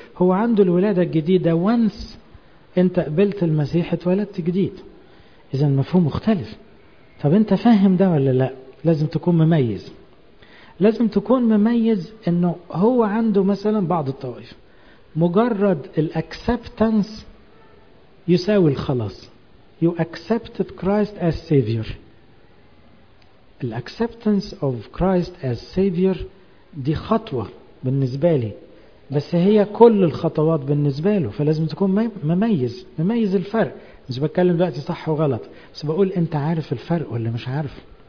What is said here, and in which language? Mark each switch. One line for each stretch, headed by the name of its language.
Arabic: هو عنده الولادة الجديدة وانس أنت قبلت المسيح اتولدت جديد. إذن مفهوم مختلف. طب أنت فاهم ده ولا لا؟ لازم تكون مميز. لازم تكون مميز انه هو عنده مثلا بعض الطوائف مجرد الاكسبتنس يساوي الخلاص.
English: You accepted Christ as Savior.
Arabic: الاكسبتنس
English: of Christ as Savior
Arabic: دي خطوة بالنسبة لي، بس هي كل الخطوات بالنسبة له. فلازم تكون مميز الفرق. مش بتكلم دلوقتي صح وغلط، بس بقول انت عارف الفرق ولا مش عارف.